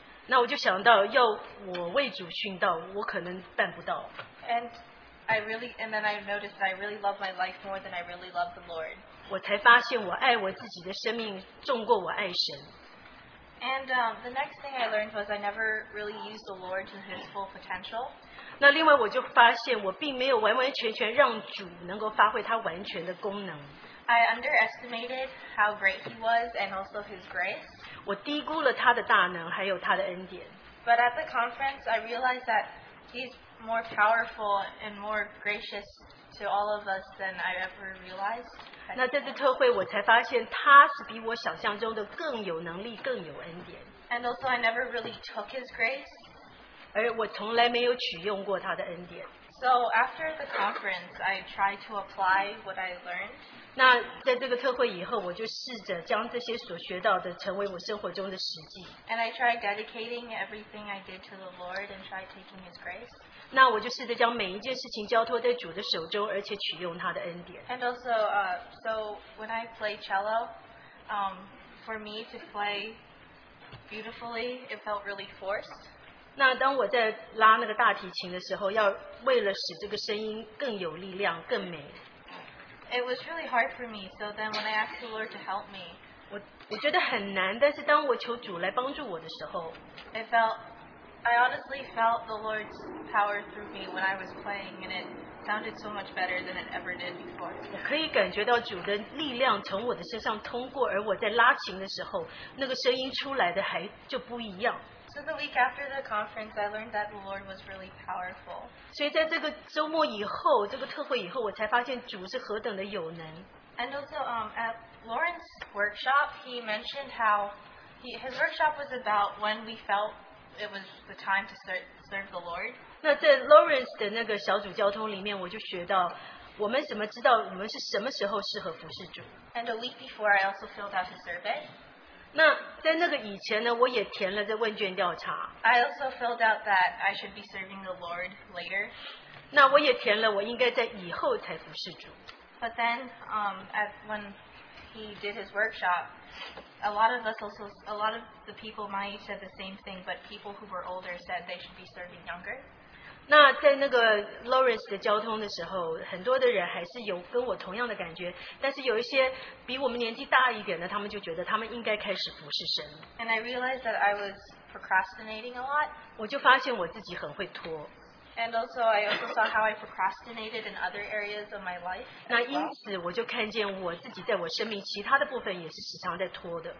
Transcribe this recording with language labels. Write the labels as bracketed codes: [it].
[zh] 那我就想到，要我为主殉道，我可能办不到。 [en] And then I noticed that I really love my life more than I really love the Lord. [zh] 我才发现，我爱我自己的生命重过我爱神。 [en] And the next thing I learned was I never really used the Lord to his full potential. [zh] 那另外我就发现，我并没有完完全全让主能够发挥他完全的功能。 [en] I underestimated how great he was and also his grace. [zh] 我低估了他的大能，还有他的恩典。 [en] But at the conference, I realized that he's more powerful and more gracious to all of us than I ever realized. [zh] 那在这特会，我才发现他是比我想象中的更有能力，更有恩典。 [en] And also, I never really took his grace. [zh] 而我从来没有取用过他的恩典。 [en] So after the conference, I tried to apply what I learned. [zh] 那在这个特会以后，我就试着将这些所学到的成为我生活中的实际。 [en] And I tried dedicating everything I did to the Lord and tried taking His grace. [zh] 那我就试着将每一件事情交托在主的手中，而且取用他的恩典。 [en] And also, so when I play cello, for me to play beautifully, it felt really forced. [zh] 那当我在拉那个大提琴的时候，要为了使这个声音更有力量、更美。 [en] It was really hard for me. So then, when I asked the Lord to help me, [zh] 我觉得很难。但是当我求主来帮助我的时候 [en] I honestly felt the Lord's power through me when I was playing, and it sounded so much better than it ever did before. [zh] 我可以感觉到主的力量从我的身上通过，而我在拉琴的时候，那个声音出来的还就不一样。 [en] So the week after the conference, I learned that the Lord was really powerful. [zh] 所以在这个周末以后，这个特会以后，我才发现主是何等的有能。 [en] And also, at Lauren's workshop, he mentioned how his workshop was about when we felt it was the time to serve the Lord. [zh] 那在 Lawrence 的那个小组交通里面，我就学到我们怎么知道我们是什么时候适合服侍主。 [en] And a week before, I also filled out a survey. [zh] 那在那个以前呢，我也填了这问卷调查。 [en] I also filled out that I should be serving the Lord later. [zh] 那我也填了我应该在以后才服侍主。 [en] But then, when he did his workshop, a lot of the people my age said the same thing, but people who were older said they should be serving younger. [zh] 那在那个 Lawrence 的交通的时候，很多的人还是有跟我同样的感觉，但是有一些比我们年纪大一点的，他们就觉得他们应该开始服侍神。 [en] And I realized that I was procrastinating a lot. [zh] 我就发现我自己很会拖。 [en] And also, I also saw how I procrastinated in other areas of my life. [zh] 那因此我就看见我自己在我生命其他的部分也是时常在拖的。